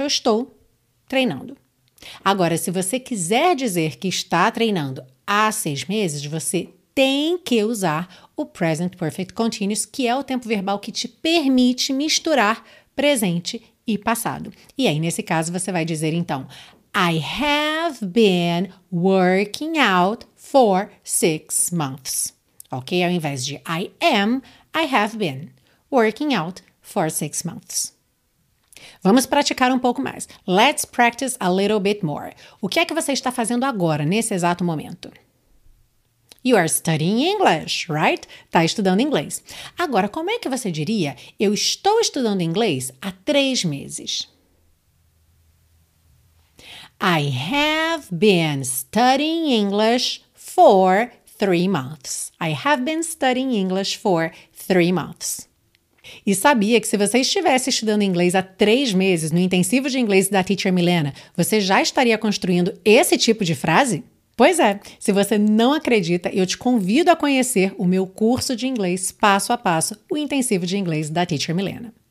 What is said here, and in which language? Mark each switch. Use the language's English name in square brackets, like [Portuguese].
[Portuguese] Eu estou treinando. Agora, se você quiser dizer que está treinando há 6 meses, você tem que usar o Present Perfect Continuous, que é o tempo verbal que te permite misturar presente e passado. E aí, nesse caso, você vai dizer, então, [English] I have been working out for 6 months. [Portuguese] Ok? Ao invés de [English] I am, I have been working out for 6 months. [Portuguese] Vamos praticar um pouco mais. [English] Let's practice a little bit more. [Portuguese] O que é que você está fazendo agora, nesse exato momento? [English] You are studying English, right? [Portuguese] Está estudando inglês. Agora, como é que você diria eu estou estudando inglês há 3 meses? [English] I have been studying English for 3 months. I have been studying English for 3 months. [Portuguese] E sabia que se você estivesse estudando inglês há 3 meses no intensivo de inglês da Teacher Milena, você já estaria construindo esse tipo de frase? Pois é, se você não acredita, eu te convido a conhecer o meu curso de inglês passo a passo, o intensivo de inglês da Teacher Milena.